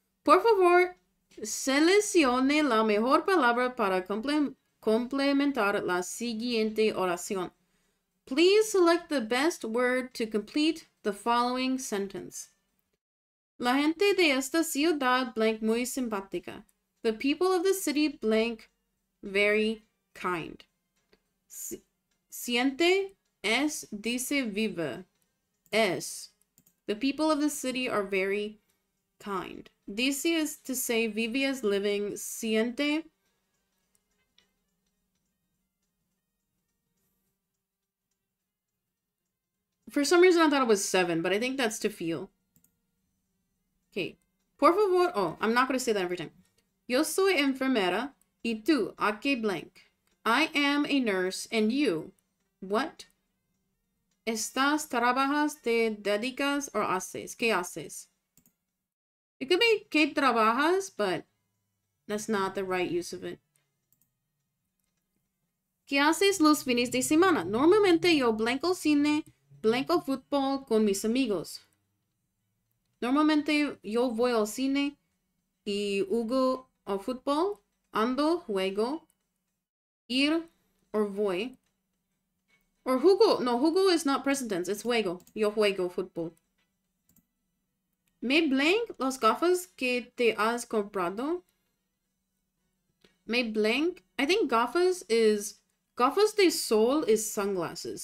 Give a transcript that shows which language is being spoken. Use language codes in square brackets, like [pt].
[es] Por favor, seleccione la mejor palabra para complementar la siguiente oración. [en] Please select the best word to complete the following sentence. [es] La gente de esta ciudad blank muy simpática. [en] The people of the city blank very kind. [es] Siente es dice vive. Es. [en] The people of the city are very kind. This is to say, vive is living, siente. For some reason, I thought it was seven, but I think that's to feel. Okay. Por favor. Oh, I'm not going to say that every time. [es] Yo soy enfermera y tú, a qué blank. [en] I am a nurse and you, what? [es] Estás, trabajas, te dedicas, [en] or haces? [es] ¿Qué haces? [en] It could be [es] que trabajas, [en] but that's not the right use of it. [es] ¿Qué haces los fines de semana? Normalmente yo blanco cine, blanco fútbol con mis amigos. Normalmente yo voy al cine y jugo al fútbol, ando, juego, ir, or voy. [en] Or jugo, no, jugo is not present tense, it's juego. [es] Yo juego fútbol. Me blank las gafas que te has comprado. Me blank. [en] I think gafas de sol is sunglasses.